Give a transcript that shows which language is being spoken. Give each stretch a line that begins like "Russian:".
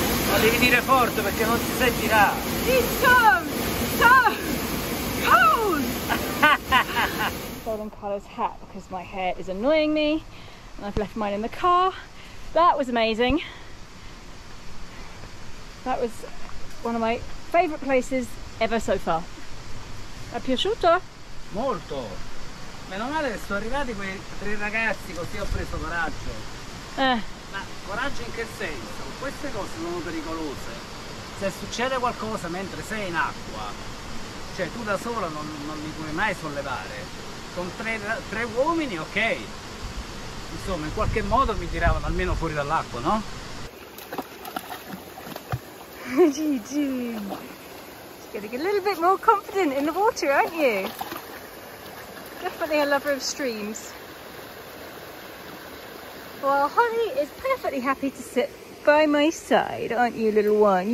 Italian: Ma devi dire forte perché non si sentirà.
English: It's so, so cold. Stolen Carlo's hat because my hair is annoying me and I've left mine in the car. That was amazing. That was one of my favourite places ever so far.
Italian: È piaciuto? Molto. Meno male che sono arrivati quei tre ragazzi, così ho preso coraggio. Ma coraggio in che senso? Queste cose sono pericolose. Se succede qualcosa mentre sei in acqua, cioè tu da solo non li puoi mai sollevare. Con tre uomini, ok. Insomma, in qualche modo mi tiravano almeno fuori dall'acqua, no? GG!
English: Getting a little bit more confident in the water, aren't you? Definitely a lover of streams. Well, Holly is perfectly happy to sit by my side, aren't you, little one?